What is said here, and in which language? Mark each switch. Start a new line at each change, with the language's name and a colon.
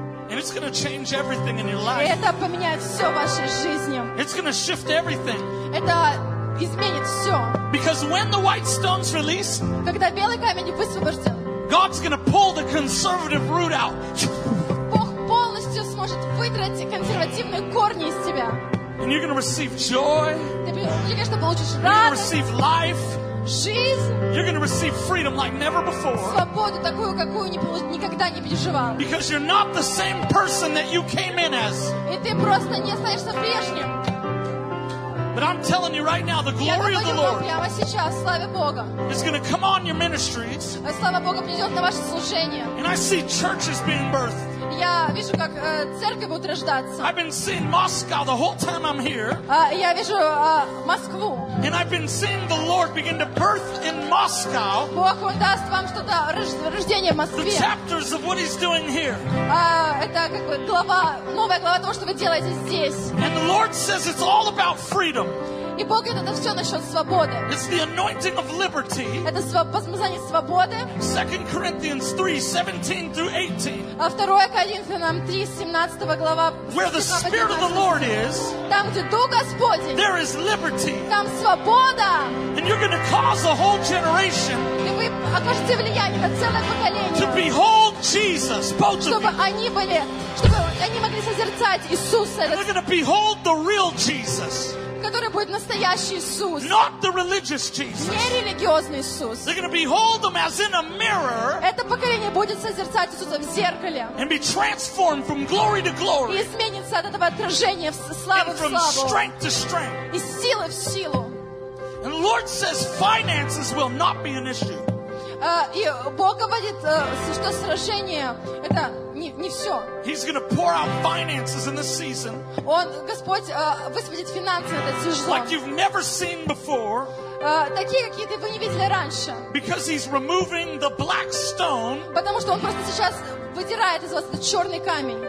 English: And it's going to change everything in your life.
Russian: Это поменяет все в вашей жизни.
English: It's going to shift everything.
Russian: Это изменит все.
English: Because when the white stones release,
Russian: когда белый камень высвободится,
English: God's going to pull the conservative root out.
Russian: Бог полностью сможет вытрясти консервативные корни из тебя.
English: And you're going to receive joy.
Russian: Ты будешь получать радость.
English: You're going to receive life.
Russian: Жизнь.
English: You're going to receive freedom like never before.
Russian: Свободу такую, какую никогда не переживал.
English: Because you're not the same person that you came in as.
Russian: И ты просто не останешься прежним.
English: But I'm telling you right now, the glory of the Lord is going to come on your ministries.
Russian: Слава Богу придет на ваше служение.
English: And I see churches being birthed.
Russian: Я вижу, как церкви будут рождаться.
English: I've been seeing Moscow the whole time I'm here.
Russian: Я вижу Москву.
English: And I've been seeing the Lord begin to birth in Moscow.
Russian: Бог даст вам что-то рождение в Москве.
English: The chapters of what He's doing here.
Russian: Это как бы глава, новая глава того, что вы делаете здесь.
English: And the Lord says it's all about freedom.
Russian: И Бог говорит, это все насчет свободы.
English: It's the anointing of liberty.
Russian: Это возмазание свободы.
English: 2 Corinthians 3:17 through 18.
Russian: А 2 Коринфянам 3, 17 глава.
English: Where the Spirit of the Lord is.
Russian: Там, где Дух Господень.
English: There is liberty.
Russian: Там свобода.
English: And you're going to cause a whole generation.
Russian: И вы окажете влияние на целое поколение.
English: To behold Jesus, both of you.
Russian: Чтобы они были, чтобы они могли созерцать Иисуса.
English: And they're going to behold the real Jesus.
Russian: Который будет настоящий Иисус.
English: Not the religious Jesus.
Russian: Не религиозный Иисус.
English: They're going to behold him as in a mirror.
Russian: Это поколение будет созерцать Иисуса в зеркале.
English: And be transformed from glory to glory.
Russian: И изменится от этого отражения в славу в славу.
English: From strength to strength.
Russian: Из силы в силу.
English: And the Lord says finances will not be an issue.
Russian: И Бог говорит, что сражение это не все.
English: He's going to pour out finances in this season.
Russian: Он, Господь, высвободит финансы в этот сезон.
English: Like you've never seen before.
Russian: Такие, какие вы не видели раньше.
English: Because he's removing the black stone.
Russian: Потому что он просто сейчас выдирает из вас этот черный камень.